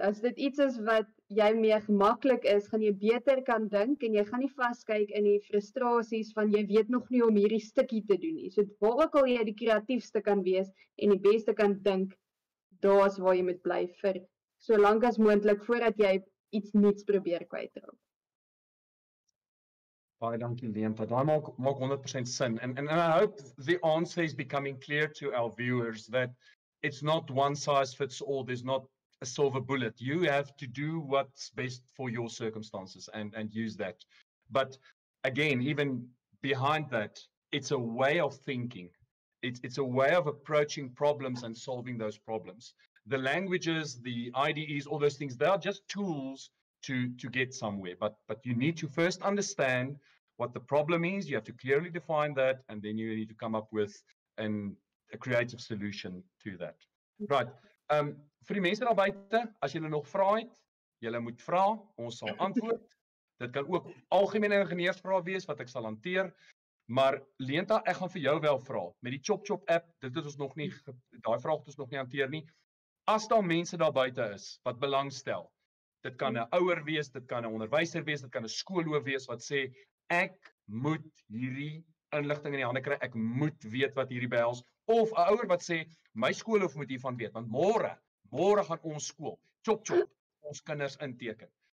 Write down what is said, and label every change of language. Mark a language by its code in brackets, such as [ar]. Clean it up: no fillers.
[af] As dit iets is wat jy meer gemaklik is, gaan jy beter kan dink en jy gaan nie vaskyk in die frustrasies van jy weet nog nie om hierdie stukkie te doen nie. So waar ook al jy die kreatiefste kan wees en die beste kan dink, daar is waar jy moet bly vir so lank as moontlik voordat jy iets nuuts probeer kwytrap. Baie dankie, Leenta. Daai maak 100% sin. [en] And I hope the answer is becoming clear to our viewers that it's not one size fits all. There's not a silver bullet. You have to do what's best for your circumstances and use that. But again, even behind that, it's a way of thinking. It's a way of approaching problems and solving those problems. The languages, the IDEs, all those things, they are just tools to get somewhere. But you need to first understand what the problem is. You have to clearly define that, and then you need to come up with a creative solution to that. [af] Right. Vir die mense daar buite, as julle nog vrae het, julle moet vra, ons sal antwoord. Dit kan ook algemene ingenieursvrae wees wat ek sal hanteer. Maar Leenta, ek gaan vir jou wel vra met die Chop Chop app. Dit het ons nog nie daai vraag het ons nog nie hanteer nie. As daar mense daar buite is wat belangstel, dit kan 'n ouer wees, dit kan 'n onderwyser wees, dit kan 'n skoolhoof wees wat sê ek moet hierdie inligting in die hande kry, ek moet weet wat hierdie behels. Of 'n ouer wat sê my skoolhoof moet hiervan weet, want môre gaan ons skool chop chop ons kinders inteken.